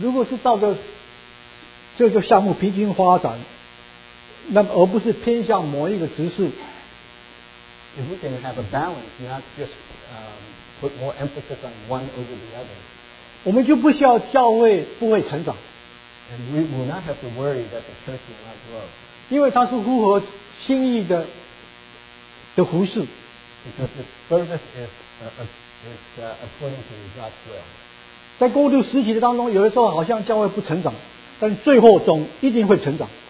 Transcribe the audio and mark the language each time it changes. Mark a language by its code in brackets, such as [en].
[zh] 如果是照着这个项目平均发展，那么而不是偏向某一个执事。 [en] if we can have a balance, not just put more emphasis on one over the other, [zh] 我们就不需要教会不会成长, [en] and we will not have to worry that the church will not grow. [zh] 因为它是符合心意的, [en] because the service is according to God's will. [zh] 在过渡时期的当中, 有的时候好像教会不成长, 但最后总一定会成长。